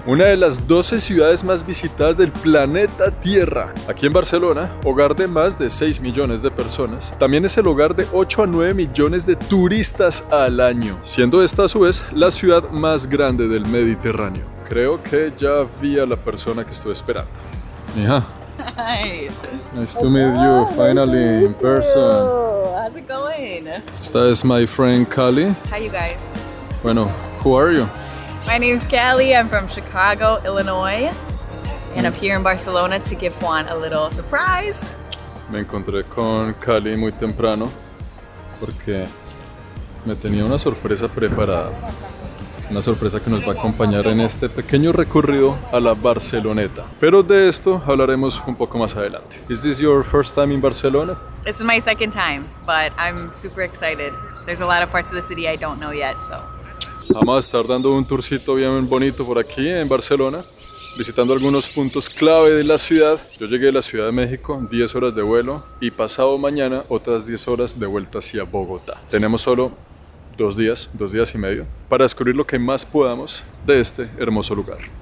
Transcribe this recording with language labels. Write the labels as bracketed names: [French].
[Spanish] Una de las 12 ciudades más visitadas del planeta Tierra. Aquí en Barcelona, hogar de más de 6 millones de personas, también es el hogar de 8 a 9 millones de turistas al año. Siendo esta a su vez la ciudad más grande del Mediterráneo. Creo que ya vi a la persona que estuve esperando. Mija. [English] Hi. Nice to meet you, finally, in person. How's it going? This is my friend Callie. Hi, you guys. Bueno, who are you? My name's Callie. I'm from Chicago, Illinois. And I'm here in Barcelona to give Juan a little surprise. [Spanish] Me encontré con Callie muy temprano porque me tenía una sorpresa preparada. Una sorpresa que nos va a acompañar en este pequeño recorrido a la Barceloneta. Pero de esto hablaremos un poco más adelante. [English] Is this your first time in Barcelona? This is my second time, but I'm super excited. There's a lot of parts of the city I don't know yet, so. [Spanish] Vamos a estar dando un tourcito bien bonito por aquí en Barcelona, visitando algunos puntos clave de la ciudad. Yo llegué a la Ciudad de México, 10 horas de vuelo, y pasado mañana otras 10 horas de vuelta hacia Bogotá. Tenemos solo dos días y medio, para descubrir lo que más podamos de este hermoso lugar.